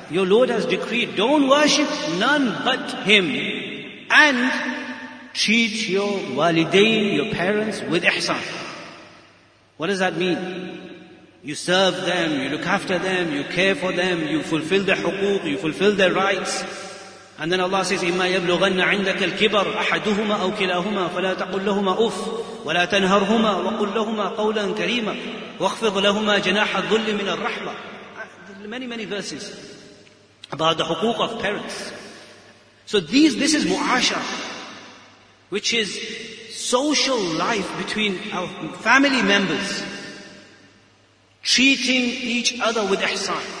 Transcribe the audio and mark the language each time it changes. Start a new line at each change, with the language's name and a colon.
English: Your Lord has decreed, don't worship none but Him, and treat your walidain, your parents, with ihsan. What does that mean? You serve them, you look after them, you care for them, you fulfill their huquq, you fulfill their rights. And then Allah says,
Arabic: إِمَّا يَبْلُغَنَّ عِنْدَكَ الْكِبَرُ أَحَدُهُمَا أَوْ كِلَاهُمَا فَلَا تَقُلْ لَهُمَا أُفٍّ وَلَا تَنْهَرْهُمَا وَقُلْ لَهُمَا قَوْلًا كَرِيمًا وَاخْفِضْ لَهُمَا جَنَاحَ الذُّلِّ مِنَ الرَّحْمَةِ.
English: Many, many verses about the huquq of parents. So this is mu'ashara, which is social life between our family members, treating each other with ihsan.